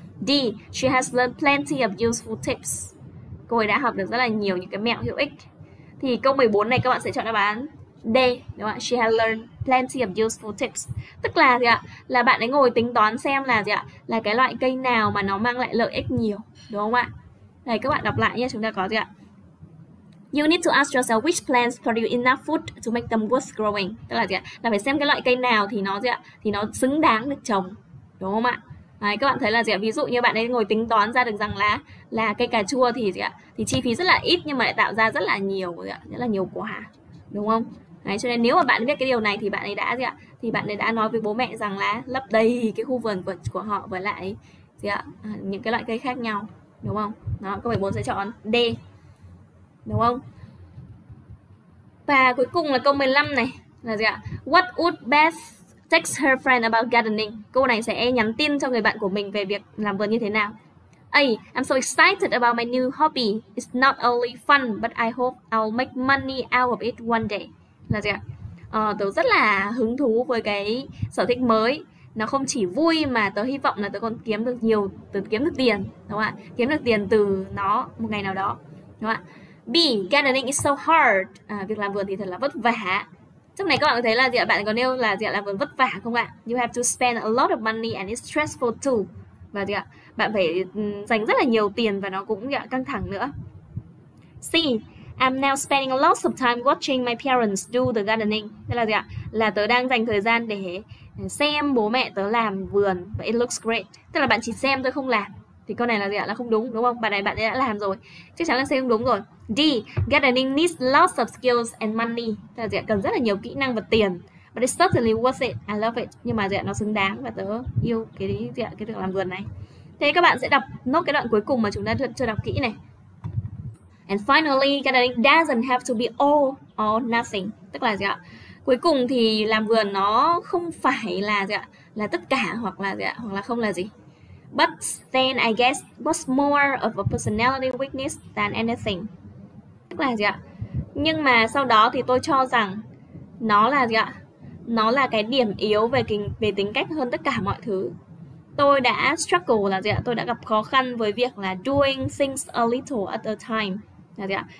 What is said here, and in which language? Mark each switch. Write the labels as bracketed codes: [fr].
[en] D, she has learned plenty of useful tips. [vi] Cô ấy đã học được rất là nhiều những cái mẹo hữu ích. Thì câu 14 này các bạn sẽ chọn đáp án đây đúng không ạ? [en] She has learned plenty of useful tips. [vi] Tức là gì ạ? Là bạn ấy ngồi tính toán xem là gì ạ? Là cái loại cây nào mà nó mang lại lợi ích nhiều, đúng không ạ? Đây các bạn đọc lại nha, chúng ta có gì ạ? [en] You need to ask yourself which plants produce enough food to make them worth growing. [vi] Tức là gì ạ? Là phải xem cái loại cây nào thì nó gì ạ? Thì nó xứng đáng được trồng, đúng không ạ? Đấy, các bạn thấy là gì ạ? Ví dụ như bạn ấy ngồi tính toán ra được rằng là cây cà chua thì gì ạ? Thì chi phí rất là ít nhưng mà lại tạo ra rất là nhiều gì ạ? Rất là nhiều quả, đúng không? Đấy, cho nên nếu mà bạn biết cái điều này thì bạn ấy đã gì ạ? Thì bạn ấy đã nói với bố mẹ rằng là lấp đầy cái khu vườn của họ với lại gì ạ? À, những cái loại cây khác nhau, đúng không? Đó, các bạn muốn sẽ chọn D, đúng không? Và cuối cùng là câu 15 này là gì ạ? [en] What would Beth text her friend about gardening? [vi] Câu này sẽ nhắn tin cho người bạn của mình về việc làm vườn như thế nào. [en] A. I'm so excited about my new hobby. It's not only fun, but I hope I'll make money out of it one day. [vi] Là gì ạ? Tớ rất là hứng thú với cái sở thích mới. Nó không chỉ vui mà tớ hy vọng là tớ còn kiếm được nhiều, tớ kiếm được tiền, đúng không ạ? Kiếm được tiền từ nó một ngày nào đó, đúng không ạ? B. [en] Gardening is so hard. [vi] Việc làm vườn thì thật là vất vả. Trong này các bạn có thấy là gì ạ? Bạn có nêu là gì ạ? Làm vườn vất vả không ạ? [en] You have to spend a lot of money and it's stressful too. [vi] Và gì ạ? Bạn phải dành rất là nhiều tiền và nó cũng gì ạ? Căng thẳng nữa. C. [en] I'm now spending lots of time watching my parents do the gardening. [vi] Thế là gì ạ? Là tớ đang dành thời gian để xem bố mẹ tớ làm vườn và [en] it looks great. [vi] Tức là bạn chỉ xem tôi không làm. Thì câu này là gì ạ? Là không đúng, đúng không? Bạn ấy đã làm rồi. Chắc chắn là C không đúng rồi. D. [en] Gardening needs lots of skills and money. [vi] Thế là gì ạ? Cần rất là nhiều kỹ năng và tiền. [en] But it's certainly worth it. I love it. [vi] Nhưng mà gì ạ? Nó xứng đáng và tớ yêu cái gì ạ? Cái việc làm vườn này. Thế các bạn sẽ đọc nốt cái đoạn cuối cùng mà chúng ta chưa đọc kỹ này. [en] And finally, gardening doesn't have to be all or nothing. [vi] Tức là gì ạ? Cuối cùng thì làm vườn nó không phải là gì ạ? Là tất cả hoặc là gì ạ? Hoặc là không là gì. [en] But then I guess what's more of a personality weakness than anything. [vi] Tức là gì ạ? Nhưng mà sau đó thì tôi cho rằng nó là gì ạ? Nó là cái điểm yếu về tính cách hơn tất cả mọi thứ. Tôi đã struggle là gì ạ? Tôi đã gặp khó khăn với việc là [en] doing things a little at a time. [vi] Là gì ạ?